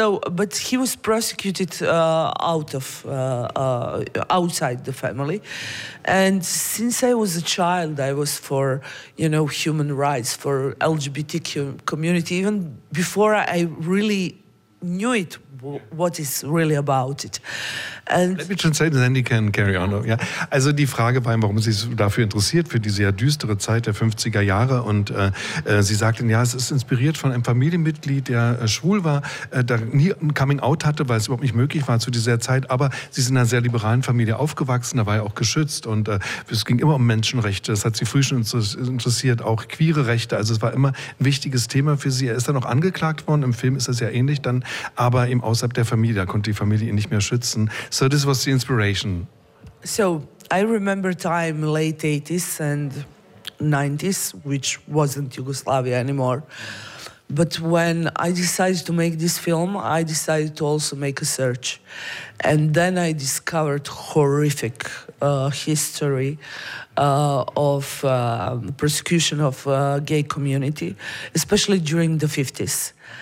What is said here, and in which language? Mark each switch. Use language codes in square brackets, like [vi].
[en] But he was prosecuted outside the family, and since I was a child, I was for, you know, human rights for LGBTQ community even before I really knew it. What is really about it? And let me translate, then you can carry on. Yeah. [de] Also die Frage war, warum sie sich dafür interessiert, für diese ja düstere Zeit der 50er Jahre. Und sie sagten, ja, es ist inspiriert von einem Familienmitglied, der schwul war, der nie ein Coming-out hatte, weil es überhaupt nicht möglich war zu dieser Zeit. Aber sie sind in einer sehr liberalen Familie aufgewachsen, da war er auch geschützt. Und es ging immer um Menschenrechte, das hat sie früh schon interessiert, auch queere Rechte. Also es war immer ein wichtiges Thema für sie. Er ist dann auch angeklagt worden, im Film ist das ja ähnlich dann, aber eben außerhalb der Familie, da konnte die Familie ihn nicht mehr schützen. [en] So this was the inspiration. So I remember time late 80s and 90s, which wasn't Yugoslavia anymore. But when I decided to make this film, I decided to also make a search. And then I discovered horrific history of persecution of gay community, especially during the 50s.